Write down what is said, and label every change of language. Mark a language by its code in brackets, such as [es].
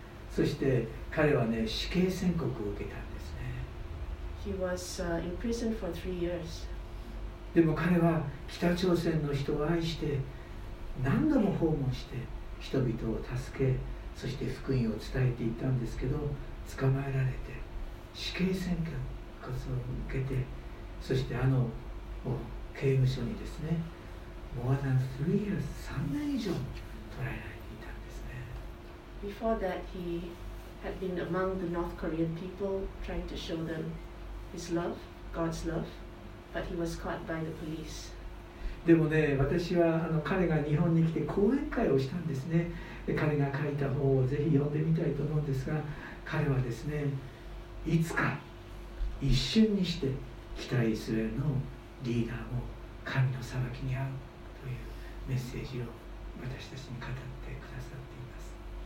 [ja] そして彼はね、死刑宣告を受けたんですね。 [en] He was in prison for 3 years. [ja] でも彼は北朝鮮の人を愛して、何度も訪問して人々を助け、そして福音を伝えていたんですけど、捕まえられて死刑宣告を受けて、そしてあの刑務所にですね、 [en] More than 3 years、 [ja] 3年以上捕らえられていたんですね。 [en] Before that, he had been among the North Korean people, trying to show them his love, God's love, but he was caught by the police. [ja] でもね、私は彼が日本に来て講演会をしたんですね。彼が書いた本をぜひ読んでみたいと思うんですが、彼はですね、いつか一瞬にして北イスラエルのリーダーも神の裁きに遭うというメッセージを私たちに語ってくださっています。